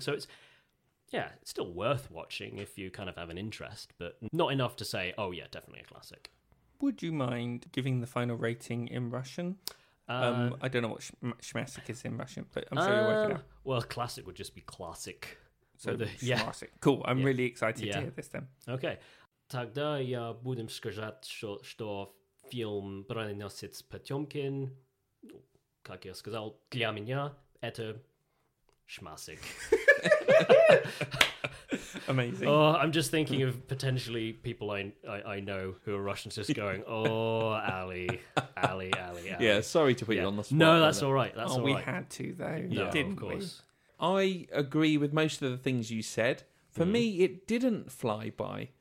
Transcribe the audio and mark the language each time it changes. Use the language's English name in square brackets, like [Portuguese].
[English] So it's still worth watching if you kind of have an interest, but not enough to say, oh yeah, definitely a classic. Would you mind giving the final rating in Russian? I don't know what schmasic is in Russian, but I'm sure you'll work it out. Well, classic would just be classic. So, schmasic. Yeah. Cool. I'm really excited to hear this then. Okay. [Russian] Тогда я будем сказать, что фильм «Броненосец Потёмкин», как я сказал, для меня это schmasic. [English] Amazing. Oh, I'm just thinking of potentially people I know who are Russians just going, oh, Ali. Yeah, sorry to put you on the spot. No, that's all right. That's all right. We had to, though. No, didn't of course. We? I agree with most of the things you said. For me, it didn't fly by.